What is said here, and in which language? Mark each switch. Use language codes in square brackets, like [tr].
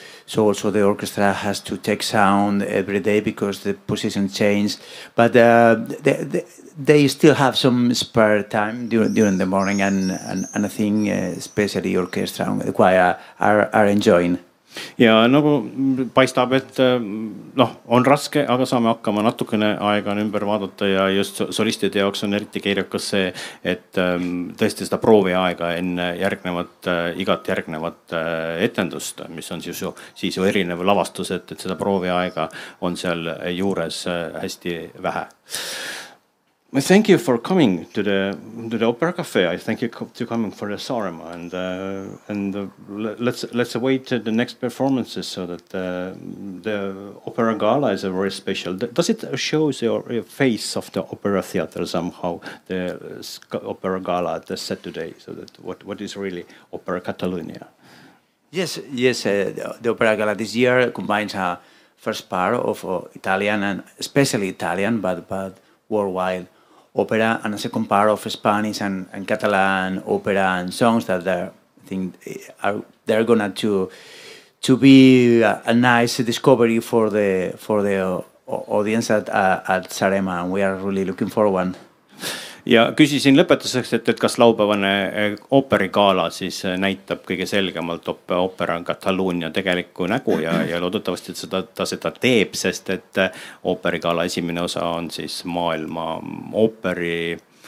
[en] So also the orchestra has to take sound every day because the position changed. But they still have some spare time during the morning, and I think especially orchestra and the choir are enjoying. [et] Ja nagu paistab, et noh, on raske, aga saame hakkama natukene aega ümber vaadata ja just solistide jaoks on eriti keerukas see, et tõesti seda proovi aega enne igat järgnevat etendust, mis on siis ju erinev lavastus, et seda proovi aega on seal juures hästi vähe. [en] Well, thank you for coming to the Opera Cafe. I thank you to coming for the Saaremaa, and let's await the next performances so that the Opera Gala is a very special. Does it show your face of the Opera Theater somehow? The Opera Gala that's set today. So that what is really Opera Catalunya? Yes. The Opera Gala this year combines a first part of Italian and especially Italian, but worldwide opera, and a second part of Spanish and Catalan opera and songs that they're gonna to be a nice discovery for the audience at Saaremaa, and we are really looking for one. [et] Ja küsisin lõpetuseks, et kas laupäevane ooperigaala siis näitab kõige selgemalt opera Kataluunia tegeliku nägu ja loodetavasti, et ta seda teeb, sest et ooperigaala esimene osa on siis maailma ooperi